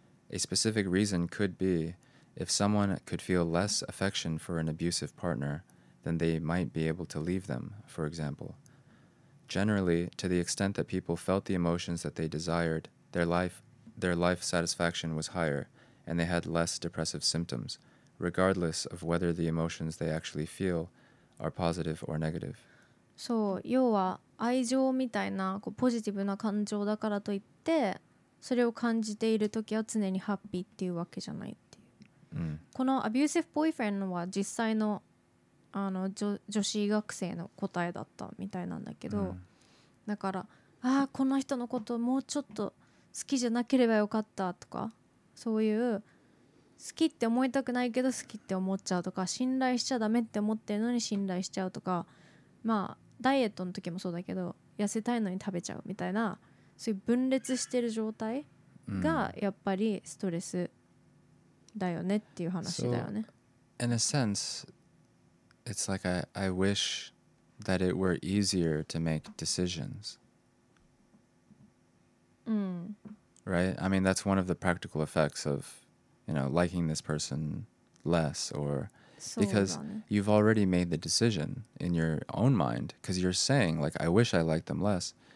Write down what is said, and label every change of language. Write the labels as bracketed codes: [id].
[en] A specific reason could be, if someone could feel less affection for an abusive partner, then they might be able to leave them, for example. Generally, to the extent that people felt the emotions that they desired, their life satisfaction was higher, and they had less depressive symptoms, regardless of whether the emotions they actually feel are positive or negative. [ja] そう、要は愛情みたいなこうポジティブな感情だからといって、それを感じているときは常にハッピーっていうわけじゃないっていう。うん、この [en] abusive boyfriend [ja] は実際の、あの、女子学生の答えだったみたいなんだけど、うん、だから、ああこの人のこともうちょっと好きじゃなければよかったとか、そういう好きって思いたくないけど好きって思っちゃうとか、信頼しちゃダメって思ってるのに信頼しちゃうとか、まあダイエットの時もそうだけど痩せたいのに食べちゃうみたいな、そういう分裂してる状態がやっぱりストレスだよねっていう話だよね。 [en] So, in a sense, it's like I wish that it were easier to make decisions. うん。 right? I mean, that's one of the practical effects of, you know, liking this person less, or because you've already made the decision in your own mind, because you're saying, like, I wish I liked them less.